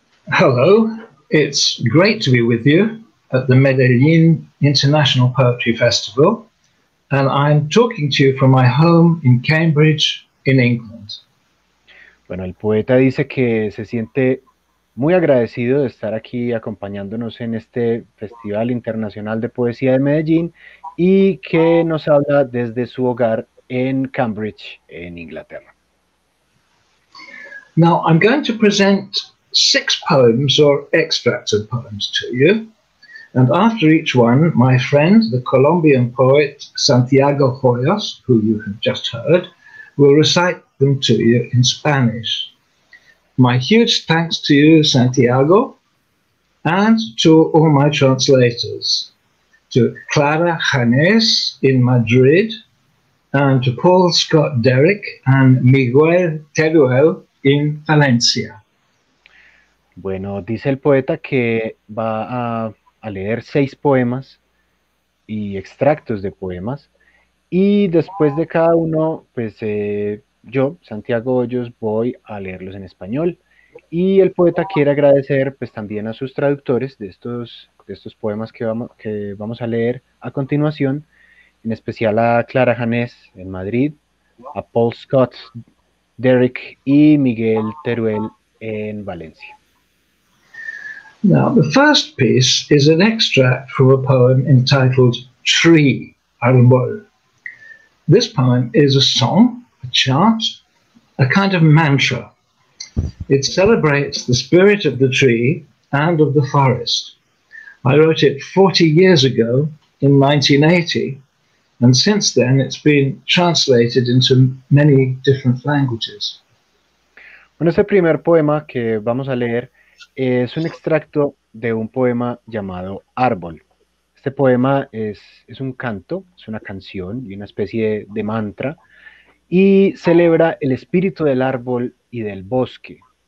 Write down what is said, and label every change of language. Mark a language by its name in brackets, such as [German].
[English] Hello, it's great to be with you at the Medellin International Poetry Festival, and I'm talking to you from my home in Cambridge, in England. [Spanish] Bueno, el poeta dice que se siente muy agradecido de estar aquí acompañándonos en este Festival Internacional de Poesía de Medellín y que nos habla desde su hogar en Cambridge, en Inglaterra. [English] Now, I'm going to present 6 poems or extracts of poems to you. And after each one, my friend, the Colombian poet Santiago Hoyos, who you have just heard, will recite them to you in Spanish. My huge thanks to you, Santiago, and to all my translators, to Clara Janes in Madrid, and to Paul Scott Derrick and Miguel Teruel in Valencia. [Spanish] Bueno, dice el poeta que va a leer 6 poemas y extractos de poemas, y después de cada uno, pues yo, Santiago Hoyos, voy a leerlos en español. Y el poeta quiere agradecer pues también a sus traductores de estos poemas que vamos a leer a continuación, en especial a Clara Janés en Madrid, a Paul Scott Derrick y Miguel Teruel en Valencia. [English] Now, the first piece is an extract from a poem entitled Tree, Arbol. This poem is a song, a chant, a kind of mantra. It celebrates the spirit of the tree and of the forest. I wrote it 40 years ago in 1980, and since then it's been translated into many different languages. [Spanish] Bueno, ese primer poema que vamos a leer es un extracto de un poema llamado Árbol. Este poema es un canto, es una canción y una especie de mantra, y celebra el espíritu del árbol y del bosque.